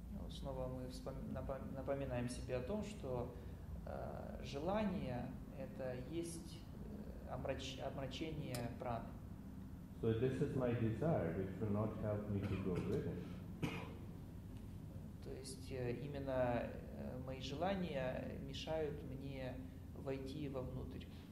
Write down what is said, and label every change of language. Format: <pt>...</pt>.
<ru>Снова мы напоминаем себе о том, что желание – это есть омрачение праны.</ru> <en>So this is my desire, which will not help me to go with it.</en> <ru>То есть именно мои желания мешают мне войти вовнутрь.</ru>